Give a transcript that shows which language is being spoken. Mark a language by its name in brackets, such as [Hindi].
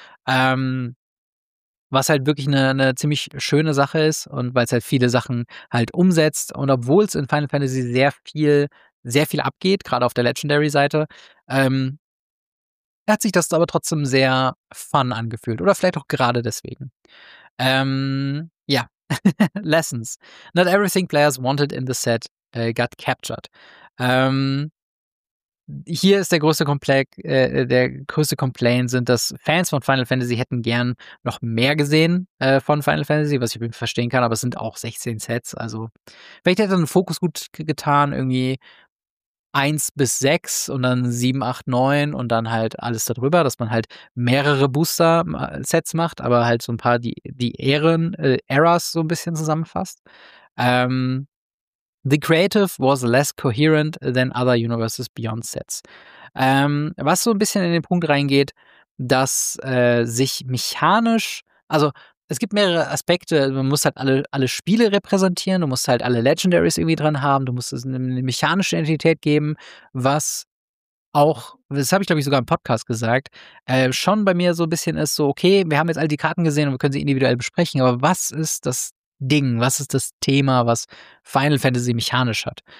[German] Was halt wirklich eine ziemlich schöne Sache ist und weil es halt viele Sachen halt umsetzt. Und obwohl es in Final Fantasy sehr viel abgeht, gerade auf der Legendary-Seite, hat sich das aber trotzdem sehr fun angefühlt. Oder vielleicht auch gerade deswegen. Ja. Lessons. [English] Not everything players wanted in the set got captured. [German] Hier ist der größte Complaint sind, dass Fans von Final Fantasy hätten gern noch mehr gesehen von Final Fantasy, was ich irgendwie verstehen kann, aber es sind auch 16 Sets. Also vielleicht hätte ein Fokus gut getan, irgendwie 1 bis 6 und dann 7, 8, 9 und dann halt alles darüber, dass man halt mehrere Booster-Sets macht, aber halt so ein paar die Ären, Eras so ein bisschen zusammenfasst. [English] The creative was less coherent than other universes beyond sets. [German] Was so ein bisschen in den Punkt reingeht, dass sich mechanisch, also es gibt mehrere Aspekte, man muss halt alle Spiele repräsentieren, du musst halt alle Legendaries irgendwie dran haben, du musst es eine mechanische Entität geben, was auch, das habe ich glaube ich sogar im Podcast gesagt, schon bei mir so ein bisschen ist, so okay, wir haben jetzt all die Karten gesehen und wir können sie individuell besprechen, aber was ist das Ding, was ist das Thema, was Final Fantasy mechanisch hat?